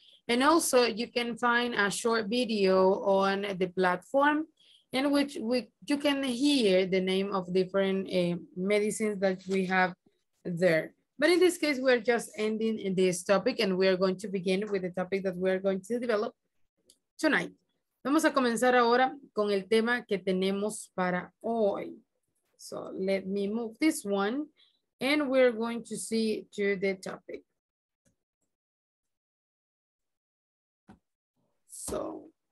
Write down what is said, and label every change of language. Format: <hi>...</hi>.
<en>And also you can find a short video on the platform in which you can hear the name of different medicines that we have there. But in this case, we're just ending this topic and we are going to begin with the topic that we're going to develop tonight.</en> <es>Vamos a comenzar ahora con el tema que tenemos para hoy.</es> <en>So let me move this one and we're going to see to the topic. So,</en>